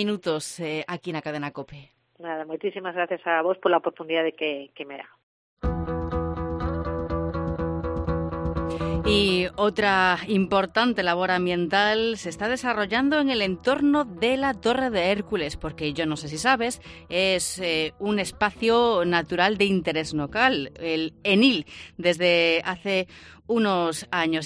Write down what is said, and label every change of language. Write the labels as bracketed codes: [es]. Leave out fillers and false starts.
[gl] Minutos aquí na Cadena COPE. Nada, moitísimas gracias a vos pola oportunidade que me dá. [es] Y otra importante labor ambiental se está desarrollando en el entorno de la Torre de Hércules, porque yo no sé si sabes, es un espacio natural de interés local, el ENIL, desde hace unos años.